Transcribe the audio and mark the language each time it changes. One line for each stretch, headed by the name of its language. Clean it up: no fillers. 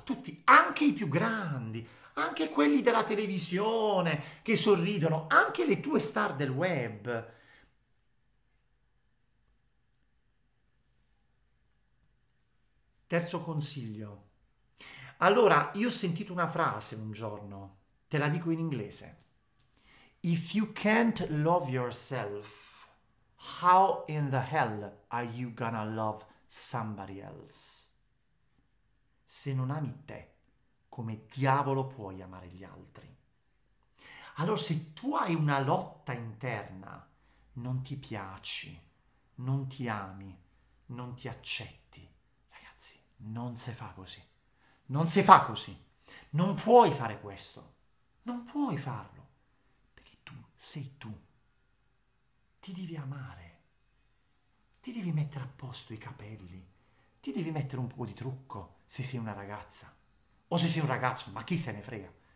Italian: Tutti, anche i più grandi, anche quelli della televisione che sorridono, anche le tue star del web. Terzo consiglio. Allora, io ho sentito una frase un giorno, te la dico in inglese.
English: If you can't love yourself, how in the hell are you gonna love somebody else?
Italian: Se non ami te, come diavolo puoi amare gli altri? Allora, se tu hai una lotta interna, non ti piaci, non ti ami, non ti accetti. Non si fa così, non si fa così, non puoi fare questo, non puoi farlo, perché tu sei tu, ti devi amare, ti devi mettere a posto i capelli, ti devi mettere un po' di trucco se sei una ragazza o se sei un ragazzo, ma chi se ne frega?